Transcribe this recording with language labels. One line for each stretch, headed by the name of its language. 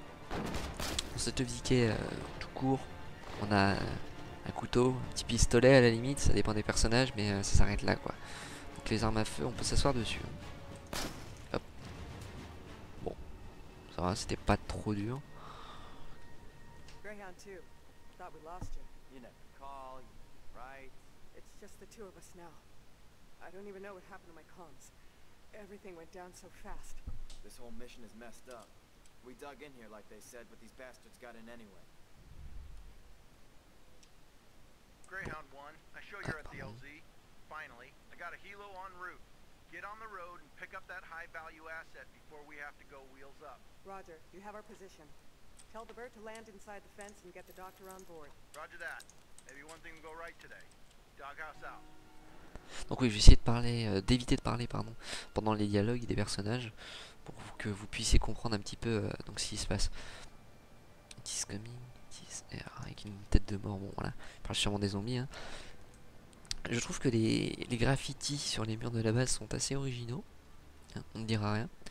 French: Dans cette vie qui est tout court, on a un couteau, un petit pistolet à la limite, ça dépend des personnages mais ça s'arrête là quoi. Donc les armes à feu, on peut s'asseoir dessus. Hop. Bon, ça va, c'était pas trop dur.
English: We lost you. You never call, you never write. It's just the two of us now. I don't even know what happened to my comms. Everything went down so fast. This whole mission is messed up. We dug in here like they said, but these bastards got in anyway. Greyhound 1, I show you're at the LZ. Finally, I got a helo en route. Get on the road and pick up that high value asset before we have to go wheels up. Roger, you have our position. Tell the bird to land inside the fence and get the doctor on board. Roger that. Maybe one thing will go right today. Doghouse out.
French: Donc oui, je vais essayer de parler, d'éviter de parler, pardon, pendant les dialogues des personnages, pour que vous puissiez comprendre un petit peu donc ce qui se passe.
English: It is coming, it is air,
French: avec une tête de mort, bon voilà. Je parle sûrement des zombies. Hein. Je trouve que les graffitis sur les murs de la base sont assez originaux. Hein, on ne dira rien.